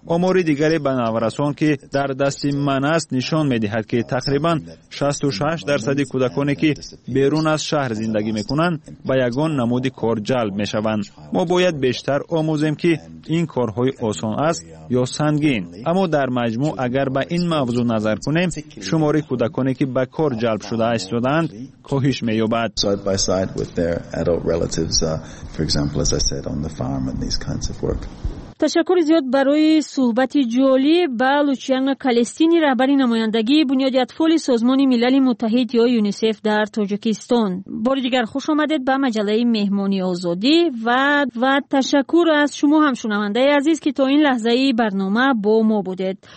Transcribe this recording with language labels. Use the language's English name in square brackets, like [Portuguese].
[Persian] آمار دیگری به نورسان که در دست من است نشان می دهد که تقریبا 66% کودکانی که بیرون از شهر زندگی می کنند به یگان نمود کار جلب می شوند. ما باید بیشتر آموزیم که این کارهای آسان است یا سنگین. اما در مجموع اگر به این موضوع نظر کنیم، شماره کودکانی که به کار جلب شده هستند کاهش می‌یابد. [English] Side by side with their adult relatives, for example, as I said, on the farm and these kinds of work. [Persian] تشکر زیاد برای صحبت جالی با لوچیانو کالستینی، رهبری نمایندگی بنیاد اطفال سازمان ملل متحد یا یونیسف در تاجیکستان. بار دیگر خوش آمدید به مجله مهمانی آزادی و تشکر از شما هم شنونده عزیز که تا این لحظه برنامه با ما بودید.